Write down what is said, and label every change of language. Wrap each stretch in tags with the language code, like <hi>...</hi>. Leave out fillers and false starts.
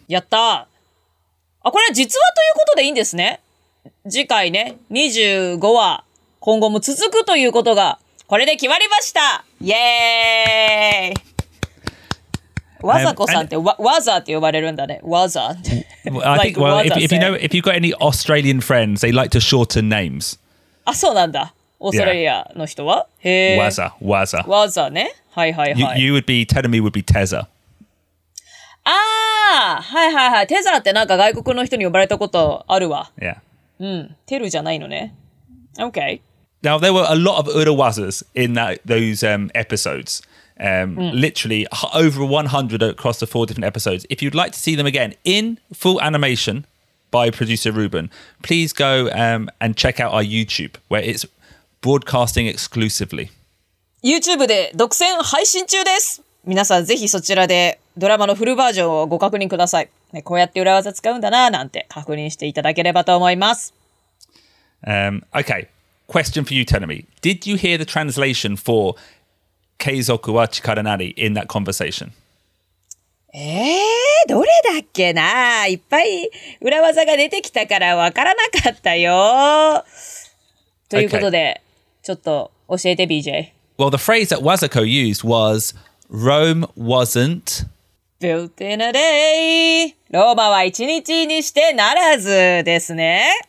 <ja>やったー。あ、これは実話ということでいいんですね。次回ね、25話、今後も続くということが、これで決まりました。イエーイ。わざこさんってわざって呼ばれるんだね。わざって。</ja> <en>I think, well, if you know, if you've got any Australian friends, they like to shorten names.</en> <ja>あ、そうなんだ。オーストラリアの人は、へえ。わざ、わざ。わざね。はいはいはい。</ja> <en>You would be, Tenami would be Teza.</en> <ja>ああ、はいはいはい。 Teza ってなんか外国の人に呼ばれたことあるわ。</ja> <en>Yeah.</en> <ja>うん。テルじゃないのね。Okay.</ja> <en>Now, there were a lot of Urawazas in that, those episodes. Literally over 100 across the four different episodes. If you'd like to see them again in full animation by producer Ruben, please go and check out our YouTube where it's broadcasting exclusively.</en> <ja>YouTube で独占配信中です。皆さんぜひそちらでドラマのフルバージョンをご確認ください。ね、こうやって裏技使うんだななんて確認していただければと思います。</ja> <en>Okay, question for you, Tenami. Did you hear the translation for...</en> <ja>Keizoku wa chikara nari</ja> <en>in that conversation.</en> <ja>どれだっけな。いっぱい裏技が出てきたからわからなかったよ。ということで、ちょっと教えて BJ。</ja> <en>Well, the phrase that Wazuko used was Rome wasn't built in a day.</en> <ja>ローマは一日にしてならずですね。</ja>